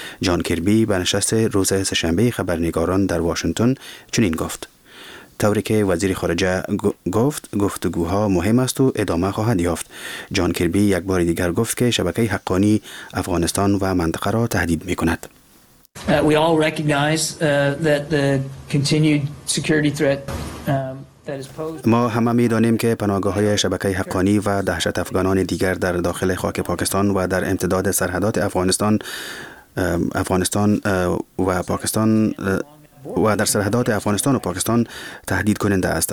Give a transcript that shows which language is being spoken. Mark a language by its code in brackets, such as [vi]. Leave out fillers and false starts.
[fa] جان کربی به نشست روز سه‌شنبه خبرنگاران در واشنگتن چنین گفت: طوری که وزیر خارجه گفت، گفتگوها مهم است و ادامه خواهد یافت. جان کربی یک بار دیگر گفت که شبکه حقانی افغانستان و منطقه را تهدید می‌کند. [en] We all recognize that the continued security threat [fa] ما همه می دانیم که پناهگاه های شبکه حقانی و دهشت افغانان دیگر در داخل خاک پاکستان و در امتداد سرحدات افغانستان و پاکستان تهدید کننده است.